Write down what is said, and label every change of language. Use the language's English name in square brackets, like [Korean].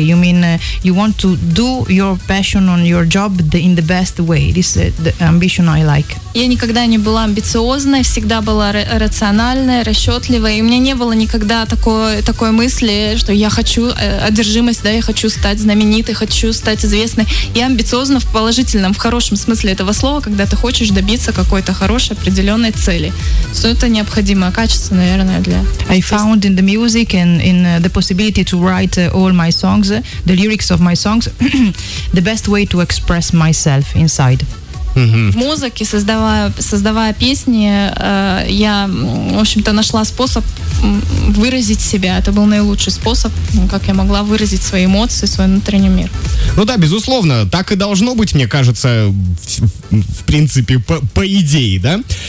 [English] You mean you want to do your passion on your job in the best way. This is the ambition I like. [Russian] Я никогда не была амбициозной, всегда была рациональной, расчетливой. И у меня не было никогда такой мысли, что я хочу одержимость, да, я хочу стать знаменитой, хочу стать известной. Я амбициозна в положительном, в хорошем смысле этого слова, когда ты хочешь добиться какой-то хорошей определенной цели. Что это необходимое качество, наверное, для... [English] I found in the music and in the possibility to write all my songs, the lyrics of my songs, the best way to express myself inside. [Russian] В музыке, создавая песни, я, в общем-то, нашла способ выразить себя. Это был наилучший способ, как я могла выразить свои эмоции, свой внутренний мир. Ну да, безусловно, так и должно быть, мне кажется, в принципе, по идее, да?